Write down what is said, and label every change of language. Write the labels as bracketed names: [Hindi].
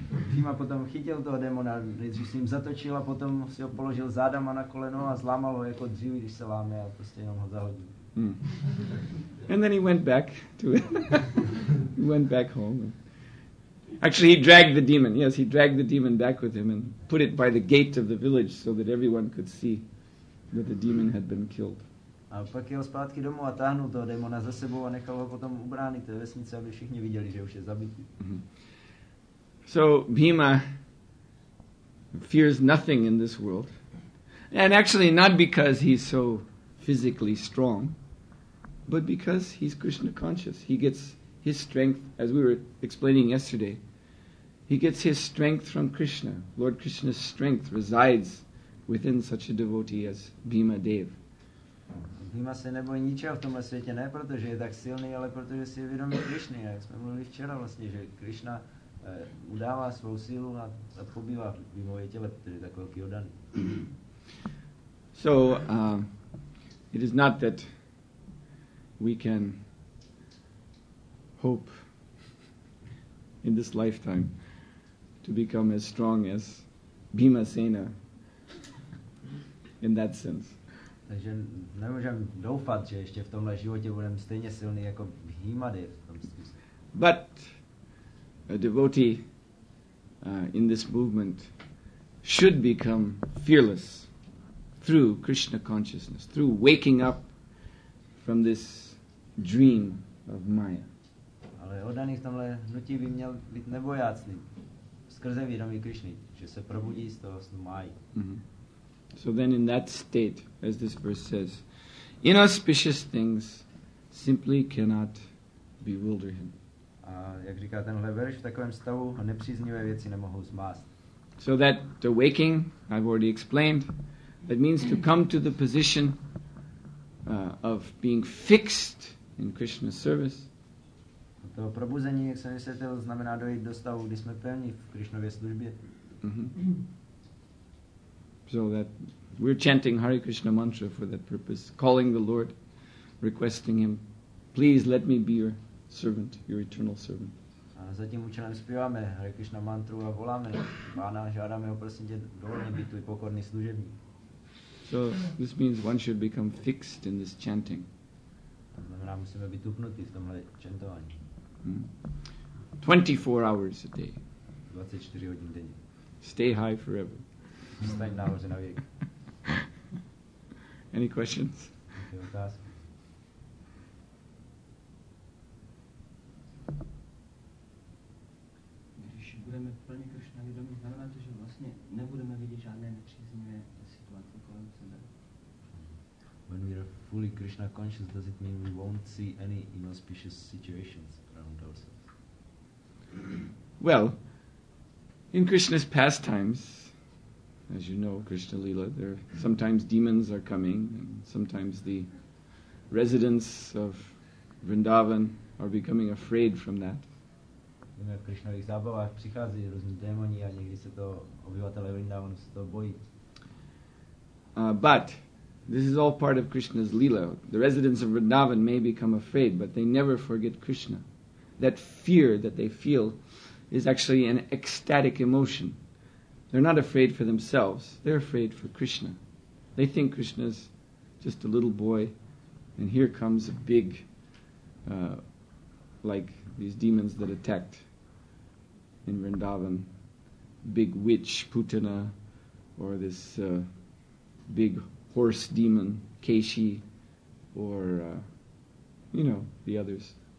[Czech] Bhima potom chytil toho demona, nejdřív s ním zatočil a potom si ho položil zádama na koleno a zlámal ho jako dřív, když se láme a prostě jenom ho zahodil. [English] And then he went back to it. He went back home. Actually, he dragged the demon. Yes, he dragged the demon back with him and put it by the gate of the village so that everyone could see that the demon had been killed. [Czech] A pak jel zpátky domů a táhnul toho demona za sebou a nechal ho potom u brány té vesnice, aby všichni viděli, že už je zabitý. [English] So Bhima fears nothing in this world. And actually not because he's so physically strong, but because he's Krishna conscious. He gets his strength, as we were explaining yesterday, he gets his strength from Krishna. Lord Krishna's strength resides within such a devotee as Bhima Dev. [Czech] Bhima se nebojí ničeho v tomhle světě, ne protože je tak silný, ale protože si je vědomý Krishny. Jak jsme mluvili včera vlastně, že Krishna udává svou sílu a pobývá v Bhimově těle, protože je tak velký oddaný. [English] So, it is not that we can hope in this lifetime to become as strong as Bhima Sena in that sense. [Czech] Takže nemůžeme doufat, že ještě v tomhle životě budeme stejně silný jako Bhima Dev. [English] But a devotee in this movement should become fearless through Krishna consciousness, through waking up from this dream of Maya. [Czech] Ale oddaný v tomhle hnutí by měl být nebojácný. skrze vědomí Krišny, že se probudí z toho snu mají. Mm-hmm. [English] So then in that state, as this verse says, inauspicious things simply cannot bewilder him. [Czech] A jak říká tenhle verš, v takovém stavu nepříznivé věci nemohou zmást. [English] So that the waking, I've already explained, that means to come to the position of being fixed in Krishna's service. [Czech] To probuzení, jak jsem vysvětlil, znamená dojít do stavu, kdy jsme pevní v Krišnově službě. Mm-hmm. [English] So that we're chanting Hare Krishna mantra for that purpose, calling the Lord, requesting him, please let me be your servant, your eternal servant. [Czech] A za tím účelem zpíváme Hare Krishna mantru a voláme Pána, žádáme ho, prosím tě, dovolně být tvůj pokorný služebník. [English] So this means one should become fixed in this chanting. [Czech] To znamená, musíme být upnutí v tomhle chantování. [English] 24 hours a day. [Czech] 24 hodin denně. [English] Stay high forever. [Czech] Stay nahoře na věk. [English] Any questions? [Czech] Když budeme plně Krišna vědomí, znamená to, že vlastně nebudeme vidět žádné nepříznivé situace kolem sebe. [English] When we are fully Krishna conscious, does it mean we won't see any inauspicious situations? Well, in Krishna's pastimes, as you know, Krishna Leela, there sometimes demons are coming, and sometimes the residents of Vrindavan are becoming afraid from that. In Krishna's [Czech] zábavách přichází různí démoni a někdy se to obyvatelé Vrindavanu se to bojí. [English] But this is all part of Krishna's Leela. The residents of Vrindavan may become afraid, but they never forget Krishna. That fear that they feel is actually an ecstatic emotion. They're not afraid for themselves, they're afraid for Krishna. They think Krishna's just a little boy, and here comes a big, like these demons that attacked in Vrindavan, big witch Putana, or this big horse demon Keshi, or you know, the others.